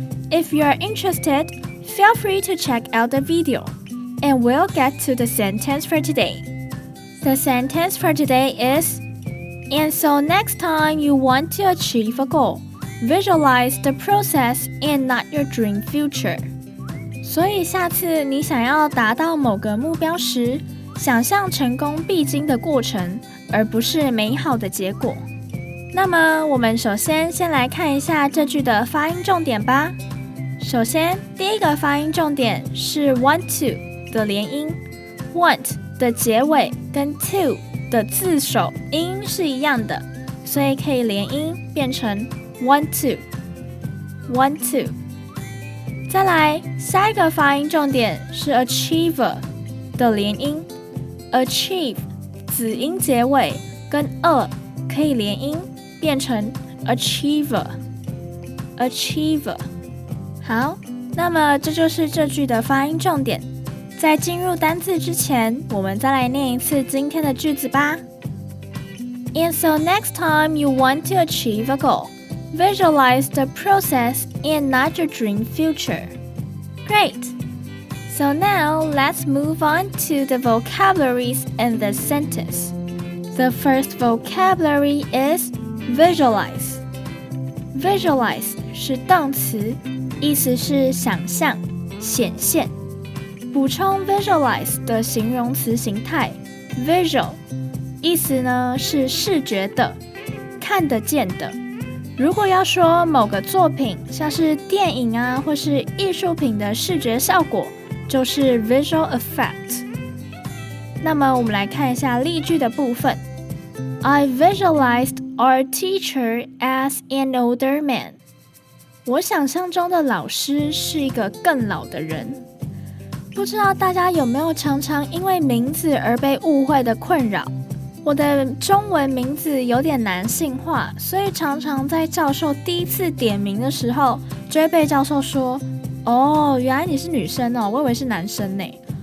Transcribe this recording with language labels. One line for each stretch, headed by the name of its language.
English: If you are interested, feel free to check out the video. And we'll get to the sentence for today. The sentence for today is, and so next time you want to achieve a goal, visualize the process and not your dream future.
Chinese: 所以下次你想要达到某个目标时，想象成功必经的过程，而不是美好的结果。那么我们首先先来看一下这句的发音重点吧。首先，第一个发音重点是 want to。的连音 want 的结尾跟 to 的字首音是一样的，所以可以连音变成 want to want to。再来，下一个发音重点是 achiever 的连音 achieve 子音结尾跟 a 可以连音变成 achiever achiever。好，那么这就是这句的发音重点。在进入单字之前，我们再来念一次今天的句子吧。
English: And so next time you want to achieve a goal, visualize the process and not your dream future. Great! So now, let's move on to the vocabularies in this sentence. The first vocabulary is visualize.
Chinese: Visualize 是动词，意思是想象、显现。补充 visualize 的形容词形态 visual， 意思呢是视觉的、看得见的。如果要说某个作品，像是电影啊或是艺术品的视觉效果，就是 visual effect。那么我们来看一下例句的部分。
English: I visualized our teacher as an older man。
Chinese: 我想象中的老师是一个更老的人。不知道大家有没有常常因为名字而被误会的困扰？我的中文名字有点男性化，所以常常在教授第一次点名的时候，就会被教授说：“哦，原来你是女生哦，我以为是男生呢。”